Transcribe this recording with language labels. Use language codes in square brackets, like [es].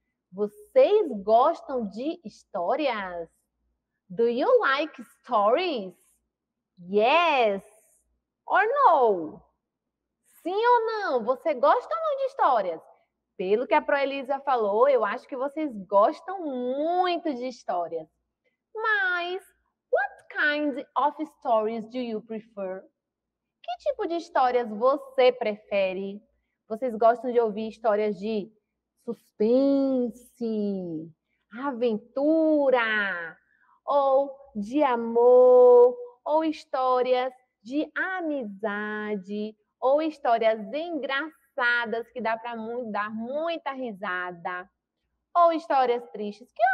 [pt] Vocês gostam de histórias? [en] Do you like stories? Yes! [pt] Ou não? Sim ou não? Você gosta ou não de histórias? Pelo que a Proelisa falou, eu acho que vocês gostam muito de histórias. [en] Mas, what kind of stories do you prefer? [pt] Que tipo de histórias você prefere? Vocês gostam de ouvir histórias de suspense, aventura, ou de amor, ou histórias de amizade ou histórias engraçadas que dá para dar muita risada ou histórias tristes.